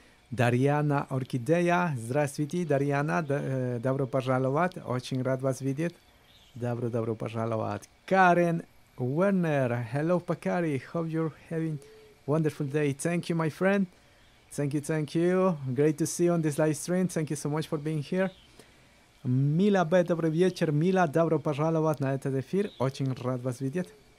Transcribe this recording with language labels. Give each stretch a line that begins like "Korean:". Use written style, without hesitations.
Russian: Дарьяна Оркидея, здравствуйте, Дарьяна, добро пожаловать, очень рад вас видеть, добро пожаловать.
English: Карен Уэрнер, hello Pacari, hope you're having a wonderful day, thank you my friend, thank you, great to see you on this live stream, thank you so much for being here.
Russian: Мила Б, добрый вечер, Мила, добро пожаловать на этот эфир, очень рад вас видеть.